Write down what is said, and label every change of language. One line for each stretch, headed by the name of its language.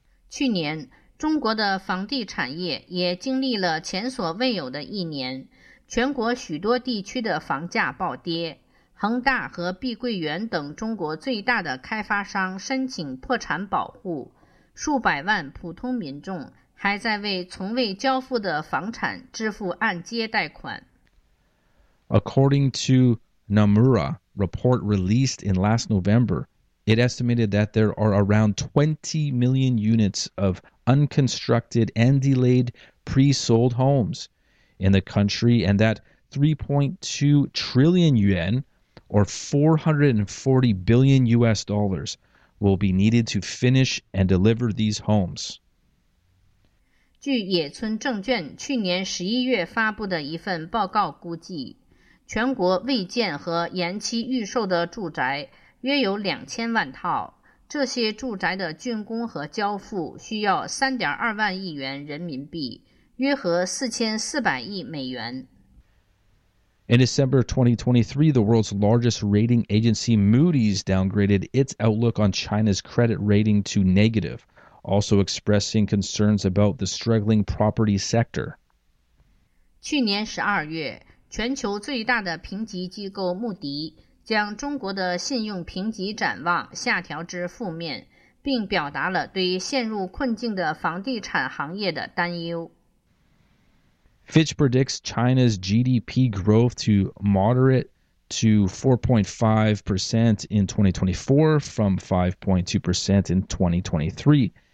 Chinese: 去年中国的房地产业也经历了前所未有的一年，全国许多地区的房价暴跌，恒大和碧桂园等中国最大的开发商申请破产保护，数百万普通民众还在为从未交付的房产支付按揭贷款。
English: According to Nomura report released in last November, it estimated that there are around 20 million units of unconstructed and delayed pre-sold homes in the country, and that 3.2 trillion yuan, or 440 billion US dollars, will be needed to finish and deliver these homes.
Chinese: 据野村证券去年11月发布的一份报告估计，全国未建和延期预售的住宅约有2000万套，这些住宅的竣工和交付需要3.2万亿元人民币，约合4400亿美元。
English: In December 2023, the world's largest rating agency Moody's downgraded its outlook on China's credit rating to negative, also expressing concerns about the struggling property sector.
Chinese: 去年12月，全球最大的评级机构穆迪将中国的信用评级展望下调至负面，并表达了对陷入困境的房地产行业的担忧。
English: Fitch predicts China's GDP growth to moderate to 4.5% in 2024 from 5.2% in 2023.